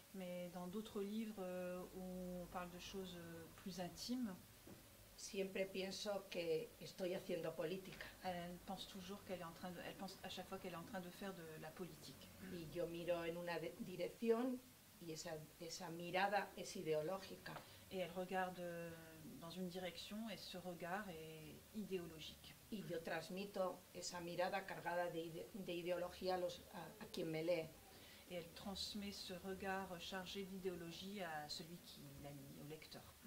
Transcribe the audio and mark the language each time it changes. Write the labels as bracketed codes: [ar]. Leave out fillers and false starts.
[fr] Mais dans d'autres livres où on parle de choses plus intimes. [es] siempre pienso que estoy haciendo política. [fr] Elle pense toujours qu'elle est en train de, elle pense à chaque fois qu'elle est en train de faire de la politique. [es] Y yo miro en una dirección y esa mirada es ideológica. [fr] Et elle regarde dans une direction et ce regard est idéologique. [es] Y yo transmito esa mirada cargada de ideología a quien me lee. [fr] Et elle transmet ce regard chargé d'idéologie à celui qui la lit, au lecteur.